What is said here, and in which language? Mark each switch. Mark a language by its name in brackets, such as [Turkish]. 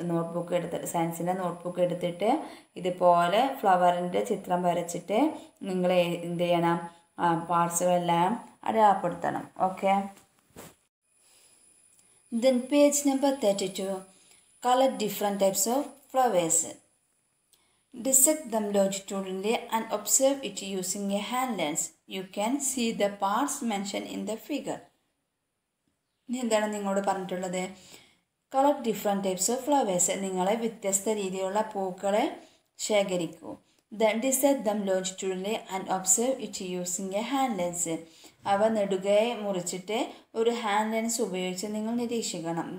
[Malayalam] Notebook എടുത്ത്, സയൻസിൻ്റെ notebook എടുത്തിട്ട് ഇതുപോലെ ഫ്ലവറിൻ്റെ ചിത്രം വരച്ചിട്ട് നിങ്ങൾ എന്ത് ചെയ്യണം, പാർട്സുകളെല്ലാം അടയാളപ്പെടുത്തണം. Okay. [English] Then page number 32, colour different types of flowers. Dissect them longitudinally and observe it using a hand lens. You can see the parts mentioned in the figure. [Malayalam] എന്താണ് നിങ്ങളോട് പറഞ്ഞിട്ടുള്ളത്? [English] colour different types of flowers, [Malayalam] നിങ്ങളെ വ്യത്യസ്ത രീതിയിലുള്ള പൂക്കളെ ശേഖരിക്കൂ. [English] Then dissect them longitudinally and observe it using a hand lens. [Malayalam] അവ നെടുകയെ മുറിച്ചിട്ട് ഒരു ഹാൻഡ് ലെൻസ് ഉപയോഗിച്ച് നിങ്ങൾ നിരീക്ഷിക്കണം.